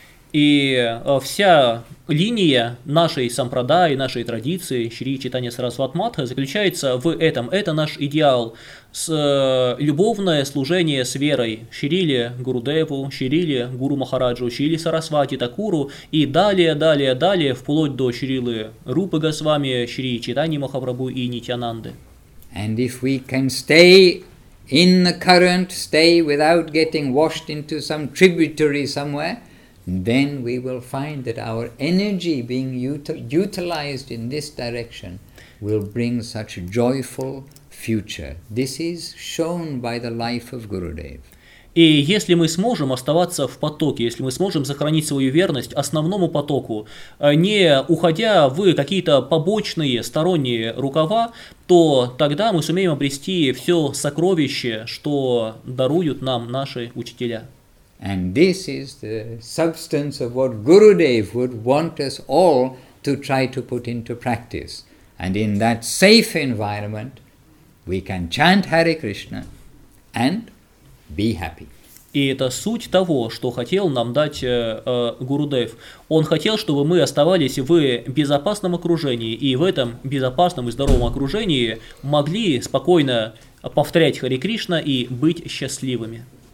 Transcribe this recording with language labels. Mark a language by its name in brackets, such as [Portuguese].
[Russian] И вся линия нашей сампрадаи, нашей традиции, Шри Чайтанья Сарасвати Матха, заключается в этом. Это наш идеал. Любовное служение с верой Шриле Гурудеву, Шриле Гуру Махараджу, Шриле Сарасвати Такуру и далее, вплоть до Шрилы Рупы Госвами, Шри Чайтаньи Махапрабху и Нитьянанды. [English] And if we can stay in the current, stay without getting washed into some tributary somewhere, then we will find that our energy being utilized in this direction will bring such a joyful future. This is shown by the life of Gurudev. [Russian] И если мы сможем оставаться в потоке, если мы сможем сохранить свою верность основному потоку, не уходя в какие-то побочные сторонние рукава, то тогда мы сумеем обрести все сокровище, что даруют нам наши учителя. [English] And this is the substance of what Gurudev would want us all to try to put into practice. And in that safe environment, we can chant Hare Krishna and be happy. [Russian] И это суть того, что хотел нам дать Гурудев. Он хотел, чтобы мы оставались в безопасном окружении, и в этом безопасном и здоровом окружении могли спокойно повторять Hare Krishna и быть счастливыми.